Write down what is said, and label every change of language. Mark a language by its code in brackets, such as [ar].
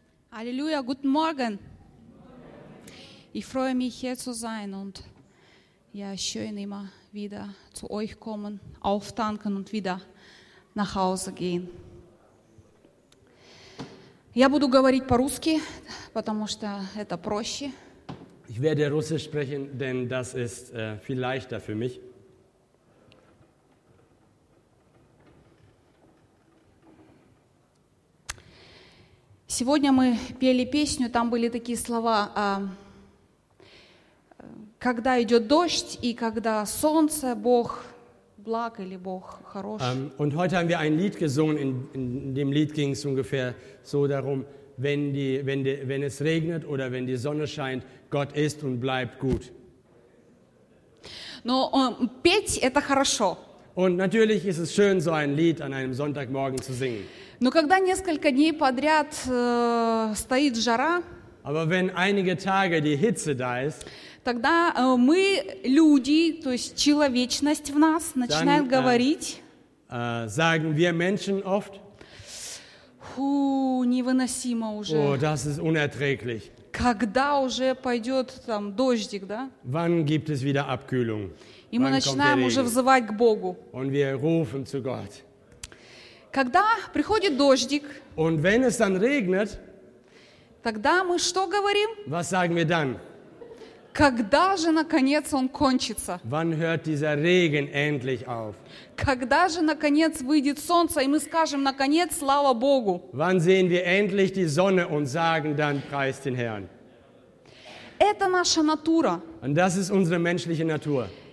[de] Halleluja, guten Morgen. Ich freue mich, hier zu sein und ja, schön immer wieder zu euch kommen, auftanken und wieder nach Hause gehen. [ru] Я буду говорить по-русски, потому что это проще. [de] Ich werde Russisch sprechen, denn das ist viel leichter für mich. [ru] Сегодня мы пели песню, там были такие слова, когда идет дождь и когда солнце, Бог благ или Бог хорош. [de] Und heute haben wir ein Lied gesungen, in dem Lied ging es ungefähr so darum, wenn es regnet oder wenn die Sonne scheint, Gott ist und bleibt gut. [ru] Но петь это хорошо. [de] Und natürlich ist es schön, so ein Lied an einem Sonntagmorgen zu singen. [ru] Но когда несколько дней подряд стоит жара, [de] aber wenn einige Tage die Hitze da ist, [ru] тогда мы люди, то есть человечность в нас начинает dann, говорить, [de] sagen wir Menschen oft, [ru] невыносимо уже. [de] Oh, das ist unerträglich. [ru] Когда уже пойдет там дождик, да? [de] Wann gibt es wieder Abkühlung? [ru] И мы начинаем уже взывать к Богу. [de] Und wir rufen zu Gott. [ru] Когда приходит дождик, [de] und wenn es dann regnet, [ru] тогда мы что говорим? [de] Was sagen wir dann? [ru] Когда же наконец он кончится? [de] Wann hört dieser Regen endlich auf? [ru] Когда же наконец выйдет солнце, и мы скажем, наконец, слава Богу? [de] Wann sehen wir endlich die Sonne und sagen dann, preist den Herrn? [ru] Это наша натура. [de] Und das ist unsere menschliche Natur.